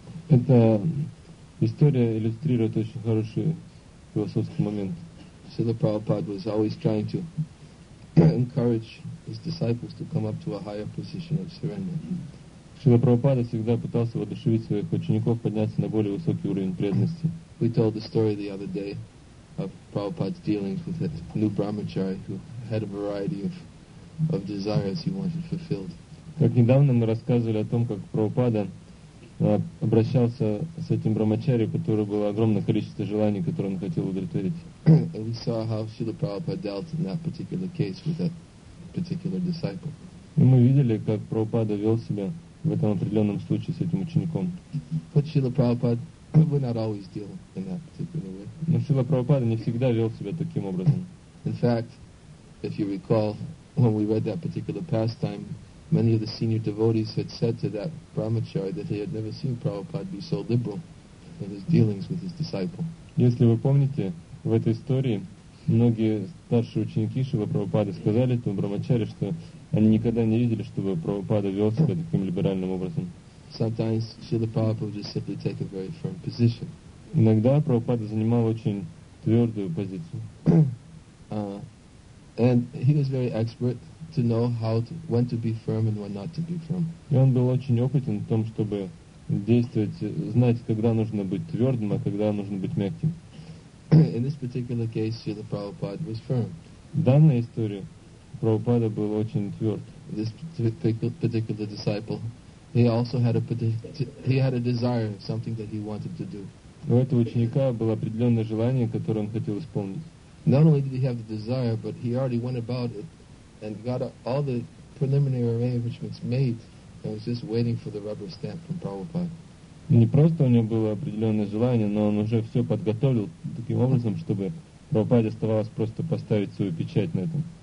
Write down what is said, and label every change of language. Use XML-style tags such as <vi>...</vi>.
<ru>Эта история иллюстрирует очень хороший философский момент.</ru> <en>Śrīla Prabhupāda was always trying to encourage his disciples to come up to a higher position of surrender.</en> <ru>Śrīla Prabhupāda всегда пытался воодушевить своих учеников подняться на более высокий уровень преданности.</ru> <en>We told the story the other day of Prabhupāda's dealings with a new brahmachari who had a variety of desires he wanted fulfilled.</en> <ru>Как недавно мы рассказывали о том, как Прабхупада обращался с этим брахмачари, у которого было огромное количество желаний, которые он хотел удовлетворить. И мы видели, как Прабхупада вел себя в этом определенном случае с этим учеником. Но Шрила Прабхупада не всегда вел себя таким образом.</ru> <en>In fact, if you recall, when we read that particular pastime, many of the senior devotees had said to that brahmachari that he had never seen Prabhupada be so liberal in his dealings with his disciple.</en> <ru>Если вы помните, в этой истории многие старшие ученики Шрилы Прабхупады сказали этому брахмачари, что они никогда не видели, чтобы Прабхупада вел себя таким либеральным образом.</ru> <en>Sometimes Śrīla Prabhupāda would just simply take a very firm position.</en> <ru>Иногда Прабхупада занимал очень твердую позицию.</ru> <en>And he was very expert to know how to, when to be firm and when not to be firm.</en> <ru>И он был очень опытен в том, чтобы действовать, знать, когда нужно быть твердым, а когда нужно быть мягким.</ru> <en>In this particular case, Śrīla Prabhupāda was firm.</en> <ru>В данной истории Прабхупада был очень тверд.</ru> <en>This particular disciple, he also had a desire, something that he wanted to do.</en> <ru>У этого ученика было определенное желание, которое он хотел исполнить.</ru> <en>Not only did he have the desire, but he already went about it and got all the preliminary arrangements made and was just waiting for the rubber stamp from Prabhupada.</en> <ru>Не просто у него было определенное желание, но он уже все подготовил таким образом, чтобы Прабхупаде оставалось просто поставить свою печать на этом.</ru>